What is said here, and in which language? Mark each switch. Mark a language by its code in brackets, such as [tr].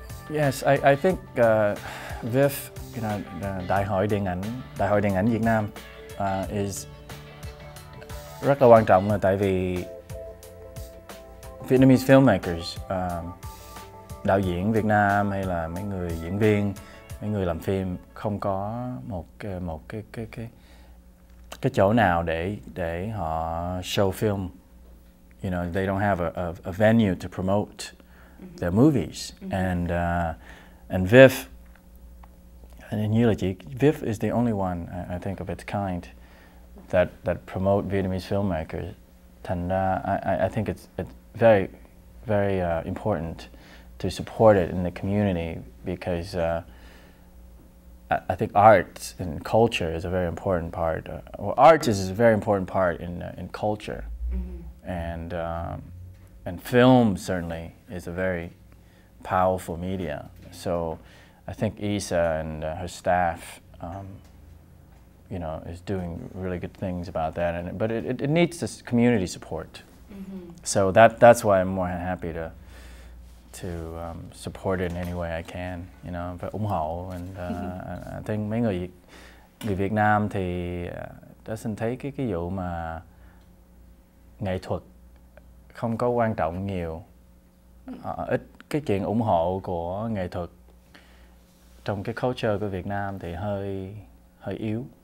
[en] Yes, I think Viv, you know, [vi] Đại hội điện ảnh Việt Nam [en] is [vi] rất là quan trọng là tại vì [en] Vietnamese filmmakers, [vi] đạo diễn Việt Nam hay là mấy người diễn viên, mấy người làm phim không có một cái chỗ nào để họ [en] show film, you know, they don't have a venue to promote their movies. Mm-hmm. And Viv, and in Eulogy, Viv is the only one I think of its kind that promote Vietnamese filmmakers. And I think it's very, very important to support it in the community, because I think art and culture is a very important part. Art is a very important part in culture. Mm-hmm. And film certainly is a very powerful media. So I think Isa and her staff, you know, is doing really good things about that. But it needs this community support. Mm-hmm. So that's why I'm more happy to support it in any way I can, you know, [vi] và ủng hộ. [en] And I think [vi] mấy người Việt Nam thì [en] doesn't [vi] thấy cái vụ mà nghệ thuật không có quan trọng nhiều, ít cái chuyện ủng hộ của nghệ thuật trong cái culture của Việt Nam thì hơi yếu.